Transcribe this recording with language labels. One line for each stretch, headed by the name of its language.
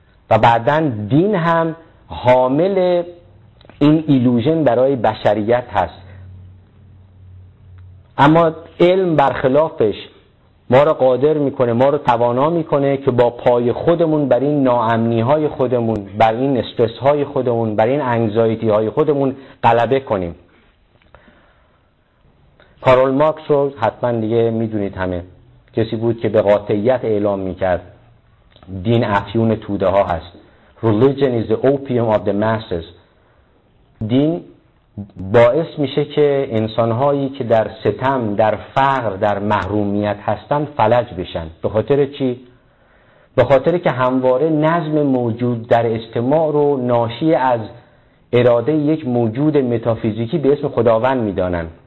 Persian: و بعدن دین هم حامل این ایلوژن برای بشریت هست، اما علم برخلافش ما رو قادر میکنه، ما رو توانا میکنه که با پای خودمون بر این ناامنی های خودمون، بر این استرس های خودمون، بر این انگزایتی های خودمون غلبه کنیم. کارل مارکس رو حتما دیگه میدونید، همه کسی بود که به قاطعیت اعلام میکرد دین افیون توده ها هست.
English: Religion is the opium of the masses.
Persian: دین باعث میشه که انسان هایی که در ستم، در فقر، در محرومیت هستن فلج بشن. به خاطر چی؟ به خاطر که همواره نظم موجود در اجتماع رو ناشی از اراده یک موجود متافیزیکی به اسم خداوند میدانن.